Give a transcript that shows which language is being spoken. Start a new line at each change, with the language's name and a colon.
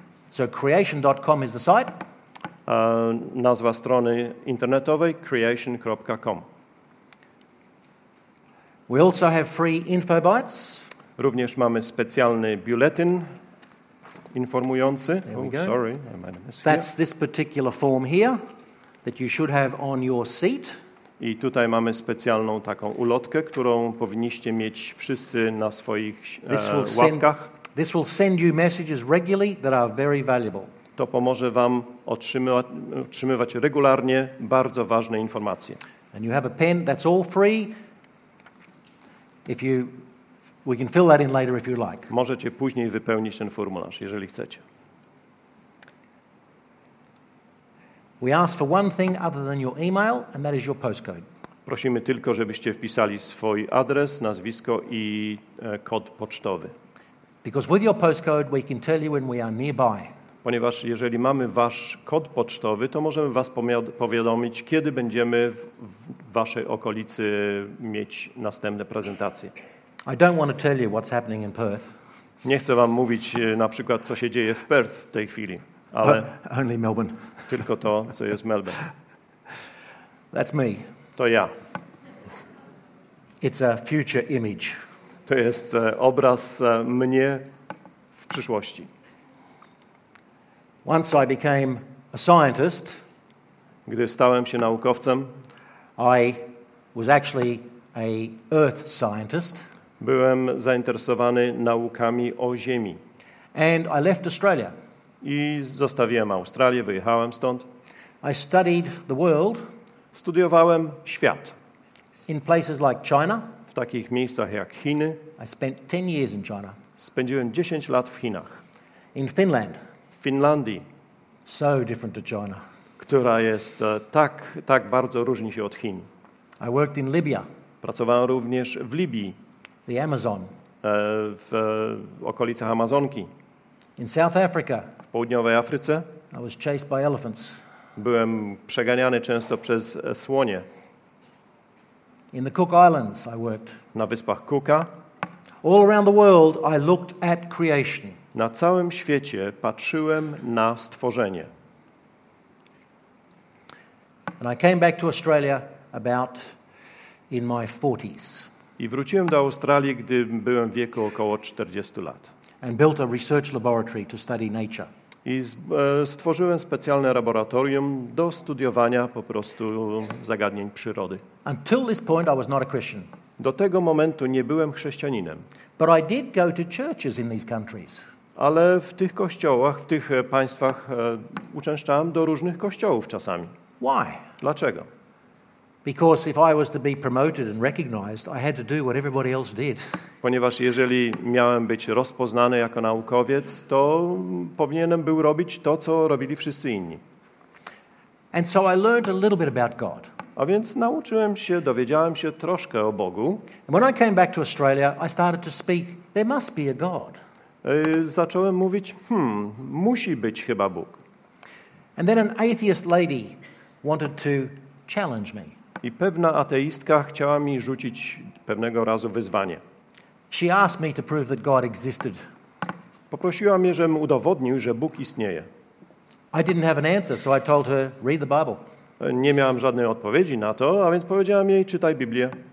English: So creation.com is the site.
Polish: Nazwa strony internetowej creation.com.
English: We also have free info bites.
Polish: Również mamy specjalny biuletyn informujący.
English: That's this particular form here that you should have on your seat.
Polish: I tutaj mamy specjalną taką ulotkę, którą powinniście mieć wszyscy na swoich ławkach.
English: This will send you messages regularly that are very valuable.
Polish: To pomoże wam otrzymywać regularnie bardzo ważne informacje.
English: And you have a pen, that's all free. We can fill that in later if you like.
Polish: Możecie później wypełnić ten formularz, jeżeli chcecie.
English: We ask for one thing other than your email, and that is your postcode.
Polish: Prosimy tylko, żebyście wpisali swój adres, nazwisko i kod pocztowy.
English: Because with your postcode we can tell you when we are nearby.
Polish: Ponieważ jeżeli mamy wasz kod pocztowy, to możemy was powiadomić, kiedy będziemy w waszej okolicy mieć następne prezentacje.
English: I don't want to tell you what's happening in Perth.
Polish: Nie chcę wam mówić na przykład, co się dzieje w Perth w tej chwili, ale
English: only Melbourne.
Polish: Tylko to, co jest Melbourne.
English: That's me.
Polish: To ja.
English: It's a future image.
Polish: To jest obraz mnie w przyszłości.
English: Once I became a scientist,
Polish: gdy stałem się naukowcem,
English: I was actually a earth scientist.
Polish: Byłem zainteresowany naukami o Ziemi.
English: And I left Australia.
Polish: I zostawiłem Australię, wyjechałem stąd.
English: I studied the world.
Polish: Studiowałem świat.
English: In places like China.
Polish: W takich miejscach jak Chiny.
English: I spent 10 years in China.
Polish: Spędziłem 10 lat w Chinach.
English: In Finland.
Polish: W Finlandii.
English: So different to China.
Polish: Która jest tak bardzo różni się od Chin.
English: I worked in Libya.
Polish: Pracowałem również w Libii.
English: The Amazon.
Polish: W okolicach Amazonki.
English: In South Africa.
Polish: W południowej Afryce.
English: I was chased by elephants.
Polish: Byłem przeganiany często przez słonie.
English: In the Cook Islands I worked.
Polish: Na wyspach Cooka.
English: All around the world I looked at creation.
Polish: Na całym świecie patrzyłem na stworzenie.
English: And I came back to Australia about in my 40s.
Polish: I wróciłem do Australii, gdy byłem w wieku około 40 lat.
English: And built a research laboratory to study nature.
Polish: I stworzyłem specjalne laboratorium do studiowania po prostu zagadnień przyrody.
English: Until this point I was not a Christian.
Polish: Do tego momentu nie byłem chrześcijaninem.
English: But I did go to churches in these countries.
Polish: Ale w tych kościołach, w tych państwach uczęszczałem do różnych kościołów czasami.
English: Why?
Polish: Dlaczego?
English: Because if I was to be promoted and recognized, I had to do what everybody else did.
Polish: Ponieważ jeżeli miałem być rozpoznany jako naukowiec, to powinienem był robić to, co robili wszyscy inni.
English: And so I learned a little bit about God.
Polish: A więc nauczyłem się, dowiedziałem się troszkę o Bogu.
English: And when I came back to Australia, I started to speak, there must be a God.
Polish: Zacząłem mówić, musi być chyba Bóg.
English: And then an atheist lady wanted to challenge me.
Polish: I pewna ateistka chciała mi rzucić pewnego razu wyzwanie.
English: She asked me to prove that God existed.
Polish: Poprosiła mnie, żebym udowodnił, że Bóg istnieje.
English: I didn't have an answer, so I told her, read the Bible.
Polish: Nie miałam żadnej odpowiedzi na to, a więc powiedziałam jej, czytaj Biblię.